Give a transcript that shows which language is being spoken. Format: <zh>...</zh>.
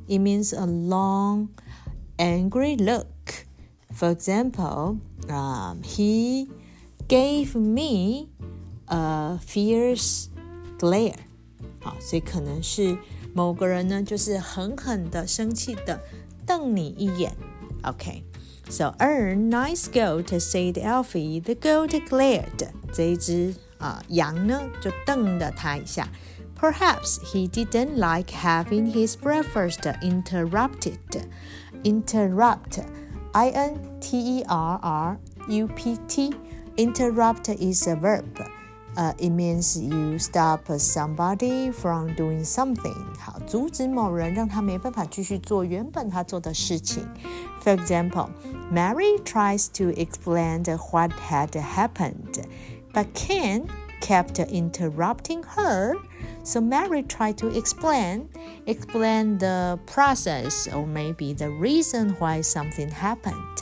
<en>It means a long, angry look. For example, he gave me a fierce glare.</en> <zh>好，所以可能是某个人呢，就是狠狠的、生气的瞪你一眼。</zh> <en>Okay, so a nice goat, said Alfie, the goat glared.</en> <zh>这一只羊呢就瞪了他一下。</zh> <en>Perhaps he didn't like having his breakfast interrupted. Interrupt, I-N-T-E-R-R-U-P-T. Interrupt is a verb. It means you stop somebody from doing something.</en> <zh>好，阻止某人让他没办法继续做原本他做的事情。</zh> <en>For example, Mary tries to explain what had happened. But Ken kept interrupting her, so Mary tried to explain the process or maybe the reason why something happened.</en>